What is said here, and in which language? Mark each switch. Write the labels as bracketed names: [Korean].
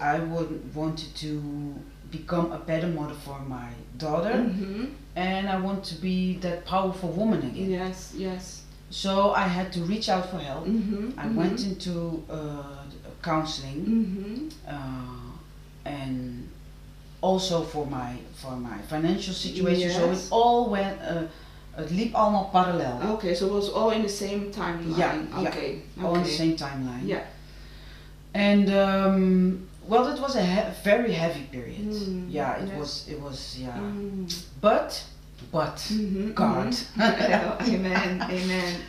[English] I wanted to become a better mother for my daughter, and I want to be that powerful woman again. Yes, yes. So I had to reach out for help. I went into counseling, and also for my financial situation. Yes. So it all went, [Dutch] het liep allemaal parallel. [English] Okay, so it was all in the same timeline. Yeah, okay. All in the same timeline. Yeah. And well, it was a very heavy period. Yeah, it was. But God. Amen, amen, amen.